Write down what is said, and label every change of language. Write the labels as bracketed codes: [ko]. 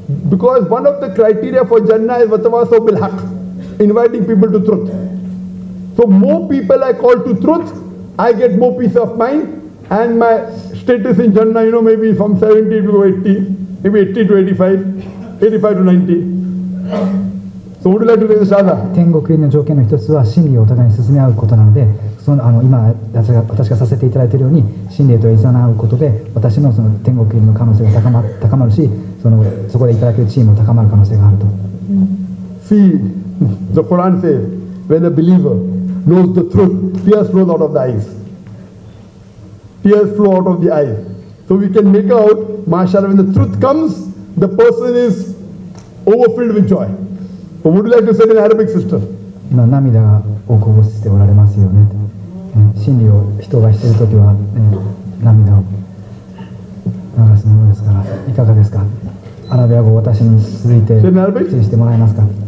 [en] Because one of the criteria for Jannah is Watawasaw bil Haq, inviting people to truth. So more people I call to truth, I get more peace of mind. And my status in Jannah, you know, maybe from 70 to 80, maybe 80 to 85, 85 to 90. So would you like to raise the Shahada? [ja] 天国入りの条件の一つは真理をお互いに進め合うことなので、その、あの、今私がさせていただいているように、真理と誘い合うことで、私のその天国入りの可能性が高まるし、その、そこでいただける地位も高まる可能性があると。 [en] See, the Quran says, when a believer knows the truth, tears flow out of the eyes. Tears flow out of the eyes. So we can make out, mashallah, when the truth comes, the person is overfilled with joy. But would you like to say it in Arabic, sister? [ja] 今涙をこぼしておられますよね。真理を人がしているときは涙を流すものですから、いかがですか？アラビア語を私に続いて指示してもらえますか？